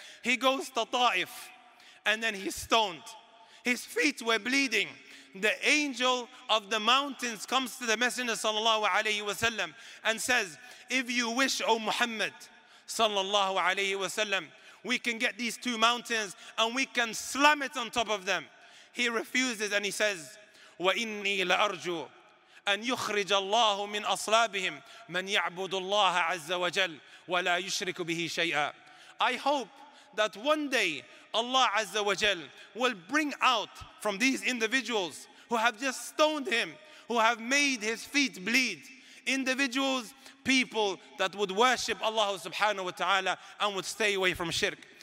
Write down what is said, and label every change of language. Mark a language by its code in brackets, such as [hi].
[en] He goes to Ta'if and then he's stoned. His feet were bleeding. The angel of the mountains comes to the Messenger sallallahu alayhi wa sallam and says, if you wish, O Muhammad sallallahu alayhi wa sallam, we can get these two mountains and we can slam it on top of them. He refuses and he says, [ar] وَإِنِّي لَأَرْجُوا أَنْ يُخْرِجَ اللَّهُ مِنْ أَصْلَابِهِمْ مَنْ يَعْبُدُ اللَّهَ عَزَّ وَجَلْ وَلَا يُشْرِكُ بِهِ شَيْئًا. [en] I hope that one day Allah Azza wa Jal will bring out from these individuals who have just stoned him, who have made his feet bleed, individuals, people that would worship Allah subhanahu wa ta'ala and would stay away from shirk.